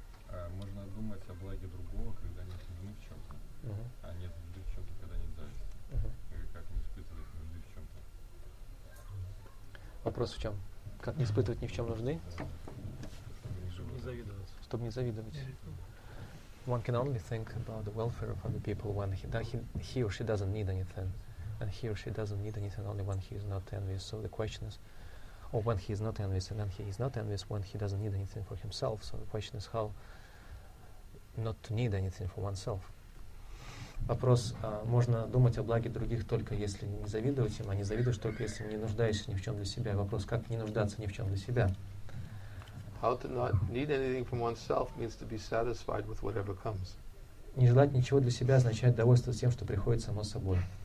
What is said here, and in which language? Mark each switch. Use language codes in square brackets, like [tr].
[ru] А можно думать о благе другого, когда нет нужды в чем-то, а нет нужды в чем-то, когда нет зависти. Как не испытывать нужды в чем-то? Вопрос в чем? Как не испытывать ни в чем нужды? Чтобы не завидовать. Чтобы не завидовать. [en] One can only think about the welfare of other people when he or she doesn't need anything. And he or she doesn't need anything only when he is not envious. So the question is, or when he is not envious, and then he is not envious when he doesn't need anything for himself. So the question is how not to need anything for oneself. [ru] Вопрос, можно думать о благе других только если не завидовать им, а не завидуешь только если не нуждаешься ни в чем для себя. Вопрос, как не нуждаться ни в чем для себя? [en] How to not need anything from oneself means to be satisfied with whatever comes. [ru] Не желать ничего для себя означает довольствоваться тем, что приходит само собой.